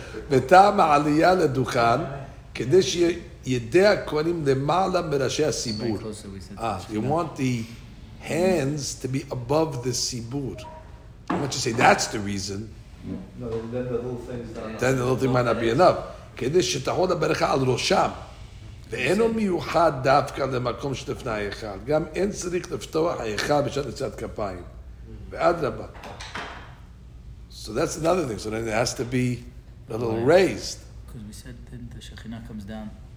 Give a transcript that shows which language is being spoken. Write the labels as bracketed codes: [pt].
[he] בטעם העלייה לדוכן, כדי שידי הכהנים למעלה מראשי הסיבור. [en] You want the hands to be above the סיבור. I want you to say, that's the reason. Then the little thing might not be enough. [he] כדי שתחול הברכה על ראשם. ואינו מיוחד דווקא למקום שלפני ההיכל. גם אין צריך לפתוח ההיכל בשעת נשיאת כפיים. ואדרבה. [en] So that's another thing. So then it has to be a little raised. Because we said that the Shekhinah comes down.